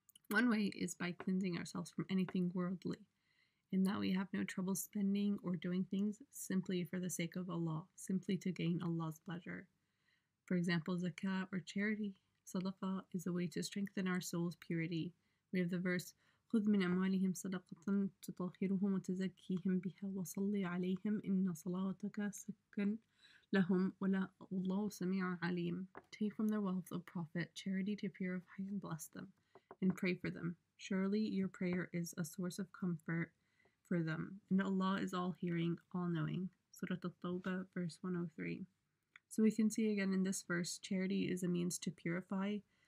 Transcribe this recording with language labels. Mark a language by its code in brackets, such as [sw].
[en] One way is by cleansing ourselves from anything worldly, in that we have no trouble spending or doing things simply for the sake of Allah, simply to gain Allah's pleasure. For example, zakah or charity, sadaqa, is a way to strengthen our soul's purity. [ar] We have the verse, خُذْ مِنْ أَمْوَالِهِمْ صَدَقَةً تُطَهِّرُهُمْ وَتَزَكِّيهِمْ بِهَا وَصَلِّ عَلَيْهِمْ إِنَّ صَلَاتَكَ سَكَّنٌ لَهُمْ وَاللَّهُ سَمِيعٌ عَلِيمٌ. [en] Take from their wealth, O Prophet, charity to purify and bless them, and pray for them. Surely your prayer is a source of comfort for them, and Allah is all-hearing, all-knowing. Surah At-Tawbah, verse 103. So we can see again in this verse, charity is a means to purify.